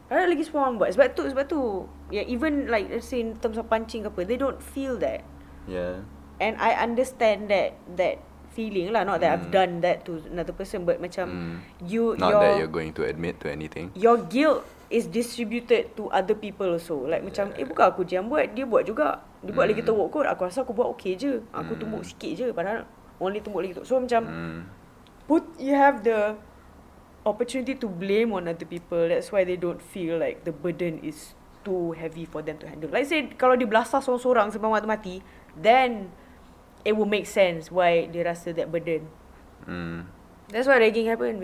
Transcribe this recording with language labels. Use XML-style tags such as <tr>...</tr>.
<ms>Ada lagi 10 orang buat. Sebab tu,</ms> <en>yeah, even like let's say in terms of punching</en> <ms>ke apa,</ms> <en>they don't feel that. Yeah. And I understand that feeling lah. Not that I've done that to another person, but macam you. Not that you're going to admit to anything. Your guilt is distributed to other people also.</en> <ms>Like macam, eh, bukan aku je yang buat, dia buat juga. Dia buat lagi teruk kot. Aku rasa aku buat okay je. Aku tumbuk sikit je. Padahal only tumbuk lagi teruk.</ms> <en>So macam you have the opportunity to blame on other people. That's why they don't feel like the burden is too heavy for them to handle. Like say,</en> <ms>kalau dia belasah sorang-sorang sebab waktu mati,</ms> <en>then it will make sense why</en> <ms>dia rasa</ms> <en>that burden. That's why ragging happen.</en>